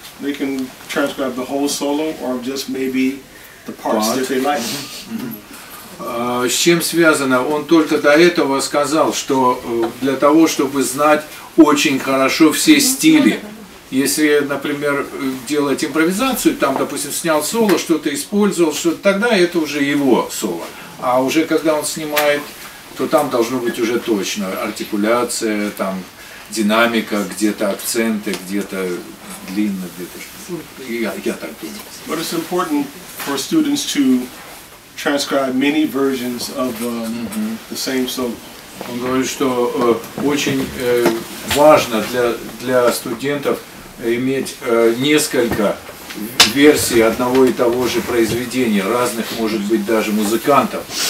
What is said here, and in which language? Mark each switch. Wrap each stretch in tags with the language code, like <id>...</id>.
<en>They can transcribe the whole solo or just maybe the parts that they like. Mm-hmm. Mm-hmm.</en> <ru>С чем связано? Он только до этого сказал, что для того, чтобы знать очень хорошо все стили. Если, например, делать импровизацию, там, допустим, снял соло, что-то использовал, что-то, тогда это уже его соло. А уже когда он снимает, то там должно быть уже точно артикуляция, там, динамика, где-то акценты, где-то длинно, где-то что-то. Я так думаю.</ru> <en>But it's important for students to transcribe many versions of the same solo.</en> <ru>Он говорит, что очень важно для студентов иметь несколько версий одного и того же произведения, разных, может быть, даже музыкантов.</ru>